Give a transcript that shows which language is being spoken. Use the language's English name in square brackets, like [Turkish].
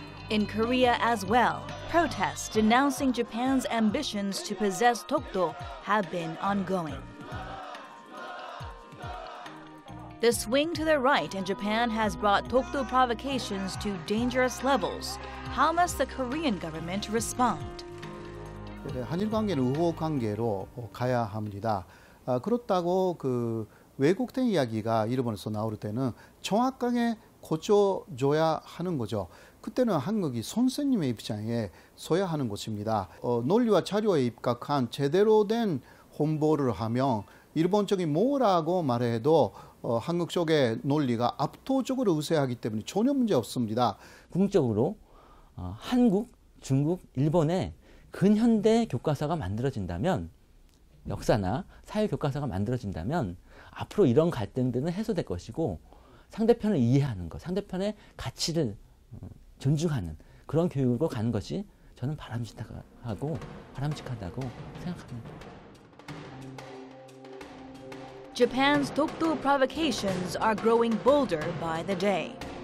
[English] In Korea as well, protests denouncing Japan's ambitions to possess Tokdo have been ongoing. The swing to the right in Japan has brought Tokdo provocations to dangerous levels. How must the Korean government respond? [Korean] 한일 관계는 우호 관계로 가야 합니다. 그렇다고 그 왜곡된 이야기가 일본에서 나올 때는 정확하게 고쳐줘야 하는 거죠. 그때는 한국이 선생님의 입장에 서야 하는 것입니다. 논리와 자료에 입각한 제대로 된 홍보를 하면 일본 쪽이 뭐라고 말해도 한국 쪽의 논리가 압도적으로 우세하기 때문에 전혀 문제 없습니다. 궁극적으로 한국, 중국, 일본의 근현대 교과서가 만들어진다면, 역사나 사회 교과서가 만들어진다면 앞으로 이런 갈등들은 해소될 것이고 상대편을 이해하는 것, 상대편의 가치를 존중하는 그런 교육으로 가는 것이 저는 바람직하다고 생각합니다. [English] Japan's Dokdo provocations are growing bolder by the day.